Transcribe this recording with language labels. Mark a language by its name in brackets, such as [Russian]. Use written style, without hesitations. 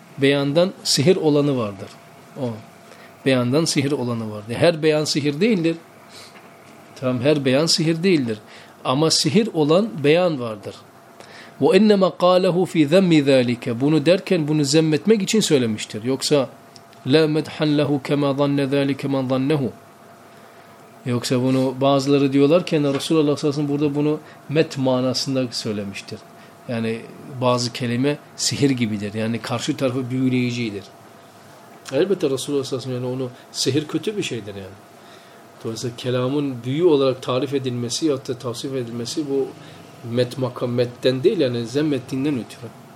[Turkish] Beyandan sihir olanı vardır. O. Beyandan sihir olanı vardır. Her beyan sihir değildir. Tamam, her beyan sihir değildir. Ama sihir olan beyan vardır. [Arabic] وَاِنَّمَا قَالَهُ فِي ذَمِّ ذَٰلِكَ. [Turkish] Bunu derken bunu zemmetmek için söylemiştir. Yoksa [Arabic] لَا مَدْحَنْ لَهُ كَمَا ظَنَّ ذَٰلِكَ مَنْ ظَنَّهُ. [Turkish] Yoksa bunu bazıları diyorlar ki Resulullah sallallahu aleyhi ve sellem burada bunu met manasında söylemiştir. Yani bazı kelime sihir gibidir. Yani karşı tarafı büyüleyicidir. Elbette Resulullah sallallahu aleyhi ve sellem yani onu sihir kötü bir şeydir yani. Dolayısıyla kelamın büyü olarak tarif edilmesi ya da tavsif edilmesi bu met makam metten değil yani zemmettiğinden ötürü.